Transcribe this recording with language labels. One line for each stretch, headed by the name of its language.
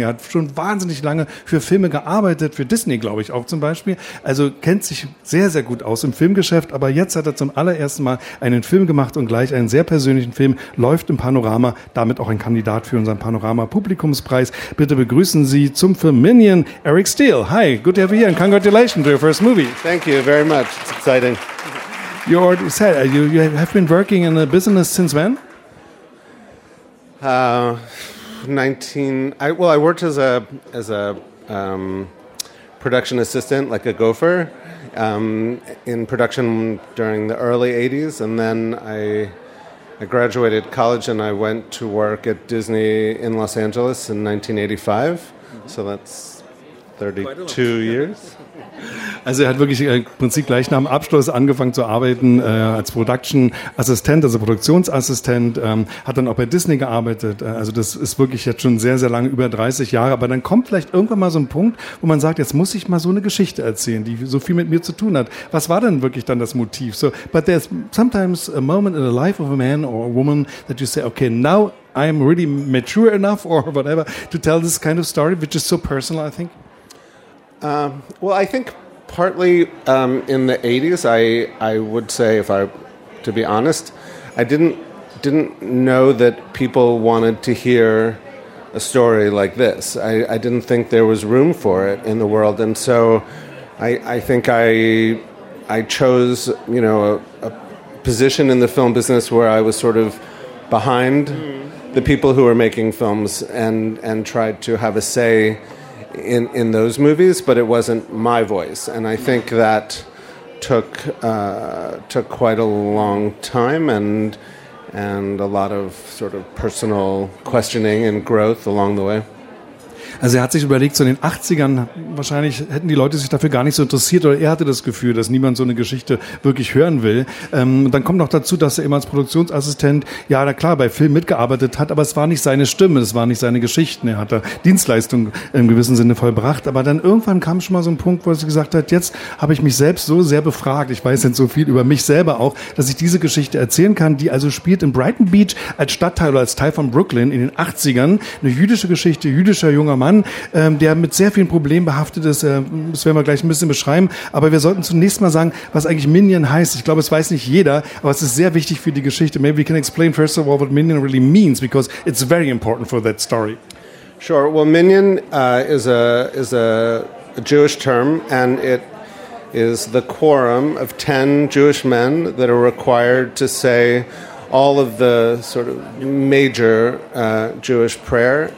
German: Er hat schon wahnsinnig lange für Filme gearbeitet, für Disney, glaube ich auch zum Beispiel. Also kennt sich sehr, sehr gut aus im Filmgeschäft, aber jetzt hat er zum allerersten Mal einen Film gemacht und gleich einen sehr persönlichen Film, läuft im Panorama, damit auch ein Kandidat für unseren Panorama-Publikumspreis. Bitte begrüßen Sie zum Film Minion, Eric Steele.
English: Hi, good to have you here and congratulations to your first movie. Thank you very much. It's exciting. You already said you have been working in the business since when? I worked as a production assistant, like a gopher, in production during the early 80s. And then I graduated college and I went to work at Disney in Los Angeles in 1985. Mm-hmm. So that's 32 years.
German: Also er hat wirklich im Prinzip gleich nach dem Abschluss angefangen zu arbeiten als Production-Assistent, also Produktionsassistent, hat dann auch bei Disney gearbeitet. Also das ist wirklich jetzt schon sehr, sehr lange, über 30 Jahre. Aber dann kommt vielleicht irgendwann mal so ein Punkt, wo man sagt, jetzt muss ich mal so eine Geschichte erzählen, die so viel mit mir zu tun hat. Was war denn wirklich dann das Motiv?
English: So, but there's sometimes a moment in the life of a man or a woman that you say, okay, now I'm really mature enough or whatever to tell this kind of story, which is so personal, I think. I think partly in the 80s, I would say, to be honest, I didn't know that people wanted to hear a story like this. I didn't think there was room for it in the world, and so I think I chose, you know, a position in the film business where I was sort of behind the people who were making films and tried to have a say in those movies, but it wasn't my voice, and I think that took quite a long time and a lot of sort of personal questioning and growth along the way.
German: Also er hat sich überlegt, so in den 80ern, wahrscheinlich hätten die Leute sich dafür gar nicht so interessiert, oder er hatte das Gefühl, dass niemand so eine Geschichte wirklich hören will. Dann kommt noch dazu, dass er immer als Produktionsassistent, ja klar, bei Film mitgearbeitet hat, aber es war nicht seine Stimme, es waren nicht seine Geschichten. Er hat da Dienstleistung im gewissen Sinne vollbracht. Aber dann irgendwann kam schon mal so ein Punkt, wo er sich gesagt hat, jetzt habe ich mich selbst so sehr befragt, ich weiß jetzt so viel über mich selber auch, dass ich diese Geschichte erzählen kann, die also spielt in Brighton Beach als Stadtteil oder als Teil von Brooklyn in den 80ern. Eine jüdische Geschichte, jüdischer junger Mann, der mit sehr vielen Problemen behaftet ist. Das werden wir gleich ein bisschen beschreiben. Aber wir sollten zunächst mal sagen, was eigentlich Minion heißt. Ich glaube, es weiß nicht jeder, aber es ist sehr wichtig für die Geschichte.
English: Maybe we can explain first of all what Minion really means, because it's very important for that story. Sure. Well, Minion is a Jewish term, and it is the quorum of 10 Jewish men that are required to say all of the sort of major Jewish prayer.